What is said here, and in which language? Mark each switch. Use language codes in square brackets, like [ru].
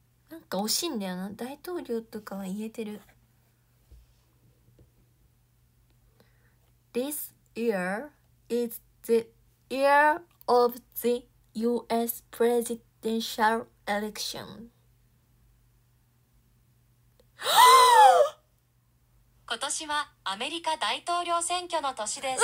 [ja] なんか惜しいんだよな。大統領とかは言えてる。 [en] This year is the year of the US presidential election. [ja] 今年はアメリカ大統領選挙の年です